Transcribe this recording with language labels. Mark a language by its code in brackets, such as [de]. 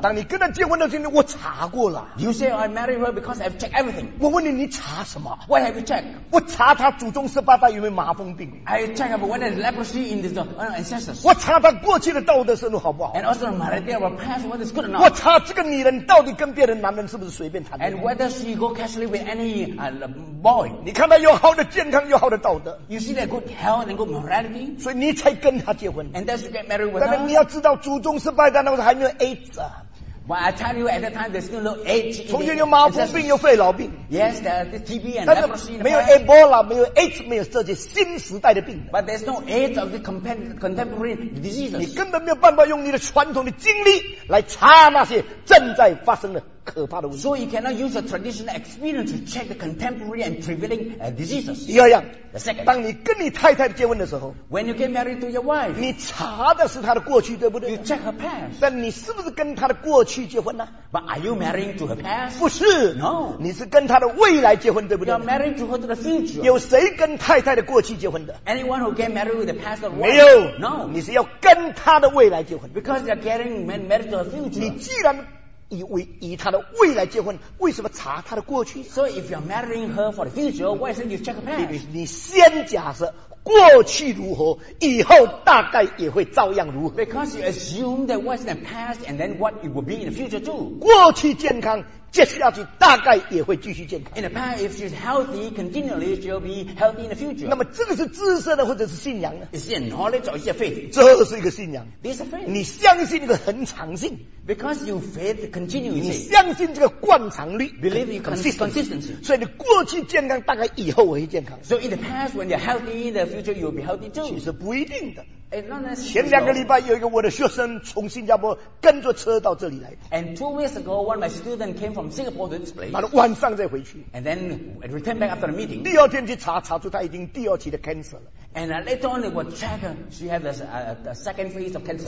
[zh] 当你跟她结婚的时候，我查过了。 [en] You say I married her because I've checked everything. [zh] 我问你，你查什么 [en] ？What have you checked? [zh] 我查他祖宗十八代有没有麻风病 [en] ？I check up whether leprosy in his ancestors. [zh] 我查他过去的道德生活好不好 [en] ？And also marriage or past whether it's good or not. [zh] 我查这个女人到底跟别的男人是不是随便谈 [en] ？And whether she go casually with any boy. [zh] 你看他有好的健康，有好的道德。 [en] You see that good health and good morality. [zh] 所以你才跟他结婚。 [en] And that's to get married with her. [zh] 但是你要知道，祖宗十八代那时候还没有 AIDS 啊。 [en] But I tell you at that time there's still no AIDS. [zh] 从前有麻风病，有肺痨病。 [en] Yes, there's TB and leprosy. [zh] 没有 Ebola， 没有 AIDS， 没有这些新时代的病。 [en] But there's no AIDS of the contemporary diseases. [zh] 你根本没有办法用你的传统的经历来查那些正在发生的。可怕的问题。 [en] So you cannot use a traditional experience to check the contemporary and prevailing diseases. [zh] 第二样。 [en] The second. [zh] 当你跟你太太结婚的时候。 [en] When you get married to your wife. [zh] 你查的是她的过去，对不对 [en] ？You check her past. [zh] 但你是不是跟她的过去结婚呢 [en] ？But are you marrying to her past? [zh] 不是。 [en] No. [zh] 你是跟她的未来结婚，对不对 [en] ？You're married to her to the future. [zh] 有谁跟太太的过去结婚的 [en] ？Anyone who get married with the past or wife? [zh] 没有。 [en] No. [zh] 你是要跟她的未来结婚。 [en] Because you're getting married to her future. [zh] 你既然以他的未来结婚，为什么查他的过去 [en] ？So if you're marrying her for the future, why don't you check her past? [zh] 你先假设过去如何，以后大概也会照样如何。 [en] Because you assume that what's in the past, and then what it will be in the future too. [zh] 过去健康，接下去大概也会继续健康。 [en] In the past, if she's healthy, continually she'll be healthy in the future. [zh] 那么这个是知识的或者是信仰呢 [en] ？Is it knowledge or is it faith? [zh] 这是一个信仰。 [en] This is faith. [zh] 你相信一个恒常性。 [en] Because you faith continuity. [zh] 你相信这个惯常律。 [en] Believe you consistency. [zh] 所以你过去健康，大概以后会健康。 [en] So in the past, when you're healthy, in the future you'll be healthy too. [zh] 其实不一定的。 [en] It's not necessary. [zh] 前两个礼拜有一个我的学生从新加坡跟着车到这里来。 [en] And 2 weeks ago, one of my students came from Singapore to this place. [zh] 然后晚上再回去。 [en] And then returned back after the meeting. [zh] 第二天去查，查出他已经第二期的 cancer 了。 [en] And later on, they were checked. She had a second phase of cancer.